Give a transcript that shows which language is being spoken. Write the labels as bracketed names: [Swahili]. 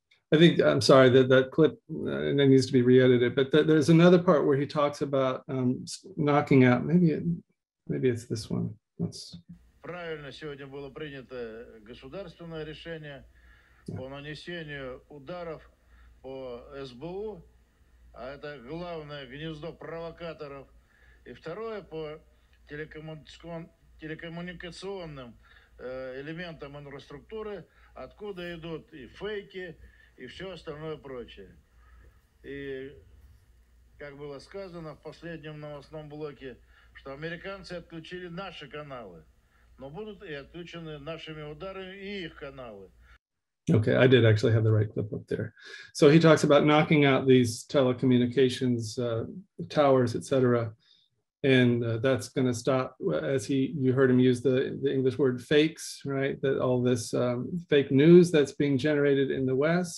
[English] I'm sorry that clip needs to be re-edited, but there's another part where he talks about knocking out, maybe it's this one. Let's... [Russian] Правильно сегодня было принято государственное решение по нанесению ударов по СБУ, а это главное гнездо провокаторов, и второе по телекоммуникационным элементам инфраструктуры, откуда идут и фейки, и все остальное прочее. И, как было сказано в последнем новостном блоке, что американцы отключили наши каналы, но будут и отключены нашими ударами и их каналы. [English] Okay, I did actually have the right clip up there. So he talks about knocking out these telecommunications towers, etc. And that's going to stop, as you heard him use the English word fakes, right? That all this fake news that's being generated in the West.